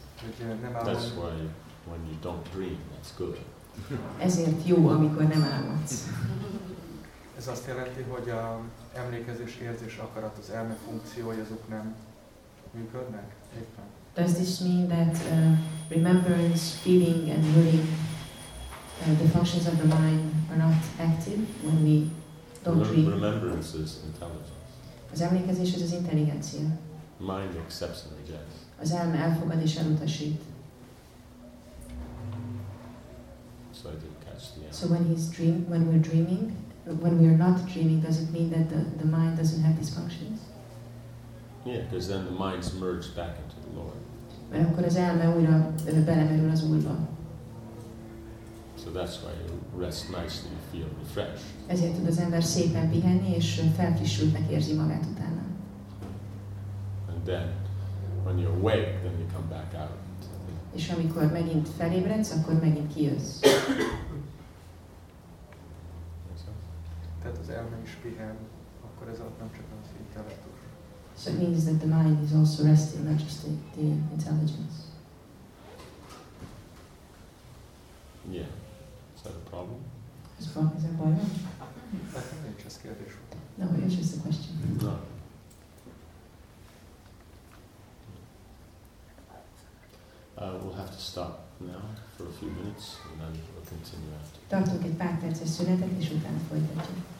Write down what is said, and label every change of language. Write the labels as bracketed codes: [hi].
[en] That's why when you don't dream, that's good. [hu] Ezért jó, amikor nem álmodsz. Ez azt jelenti, hogy a emlékezés, érzés, akarat, az elme funkciói azok nem működnek éppen. [en] Does this mean that remembrance, feeling and willing, the functions of the mind are not active when we don't dream? Remembrance is intelligence. [hu] Az emlékezés az intelligencia. [en] Mind accepts and rejects. [hu] Az elme elfogad és elutasít. [en] So I didn't catch the answer. So when he's dream, when we're dreaming, when we are not dreaming, does it mean that the mind doesn't have these functions? Yeah, because then the mind's merged back into the Lord. [hu] Mert akkor az elme újra belemerül az Úrba. [en] So that's why you rest nicely and feel refreshed. [hu] Ezért tud az ember szépen pihenni és felfrissültnek érzi magát utána. [en] And then, when you're awake, then you come back out. [hu] És amikor megint felébredsz, akkor megint kijössz. Tehát az elme is pihen, akkor ez ott nem csak az intellektus. [en] So it means that the mind is also resting, not just the intelligence. Yeah. Is that a problem? Is that a problem? Is that a problem? Just [hu] kérdés. [en] No, it's just a question. No. We'll have to stop now for a few minutes, and then we'll continue after. [hu] Tartunk egy pár percet szünetet, és utána folytatjuk.